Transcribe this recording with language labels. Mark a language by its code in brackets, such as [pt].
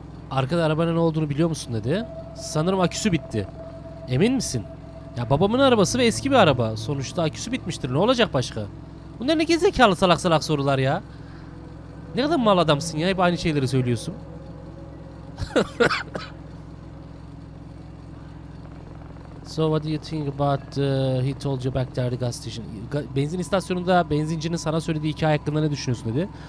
[tr] Arkada arabanın ne olduğunu biliyor musun dedi. Sanırım aküsü bitti. Emin misin? Ya babamın arabası ve eski bir araba. Sonuçta aküsü bitmiştir. Ne olacak başka? Bunlar ne gezekalı salak salak sorular ya. Ne kadar mal adamsın ya. Hep aynı şeyleri söylüyorsun. [en] So what do you think about he told you back there the gas station? [tr] Benzin istasyonunda benzincinin sana söylediği hikaye hakkında ne düşünüyorsun dedi.